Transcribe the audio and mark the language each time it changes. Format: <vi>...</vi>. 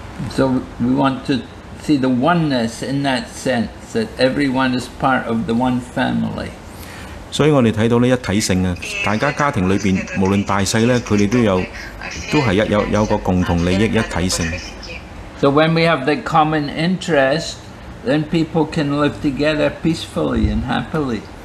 <en>So we want to see the oneness in that sense that everyone is part of the one family.</en> <yue>所以我哋睇到咧一体性啊，大家家庭里边无论大细咧，佢哋都系有个共同利益一体性。</yue> <en>So when we have the common interest, then people can live together peacefully and happily.</en>